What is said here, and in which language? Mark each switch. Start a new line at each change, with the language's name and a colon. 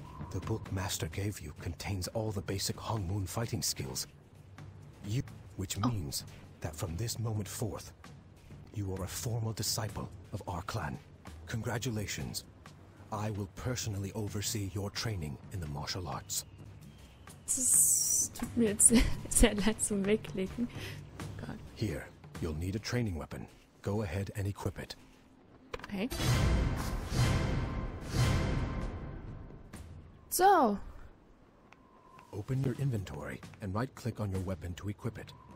English: The book Master gave you contains all the basic Hongmoon fighting skills. Which means that from this moment forth, you are a formal disciple of our clan. Congratulations. I will personally oversee your training in the martial arts.
German: Tut mir jetzt sehr leid zum Wegklicken. Gott.
English: Here, you'll need a training weapon. Go ahead and equip it. Okay. So. Open your inventory and right-click on your weapon to equip it.